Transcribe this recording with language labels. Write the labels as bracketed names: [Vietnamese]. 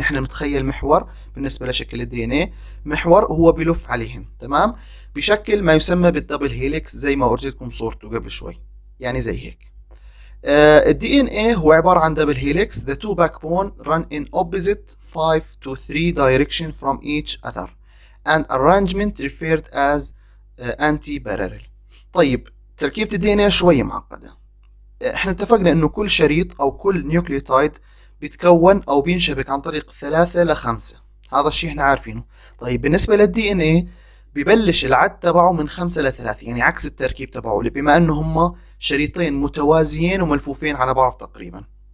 [Arabic] نحن متخيل محور بالنسبة لشكل الدي ان اي، محور هو بلف عليهم تمام، بشكل ما يسمى بالدبل هيليكس زي ما ورجيتكم صورته قبل شوي، يعني زي هيك. الدي ان اي هو عبارة عن دبل هيليكس، [English] the two backbone run in opposite 5 to 3 direction from each other and arrangement referred as anti-parallel. [Arabic] طيب تركيبة الدي ان اي شوي معقدة. احنا اتفقنا انه كل شريط او كل نيوكليوتايد بيتكون او بينشبك عن طريق 3 إلى 5، هذا الشيء احنا عارفينه. طيب بالنسبة للدي ان اي ببلش العد تبعه من 5 إلى 3، يعني عكس التركيب تبعه بما انه هما شريطين متوازيين وملفوفين على بعض تقريبا.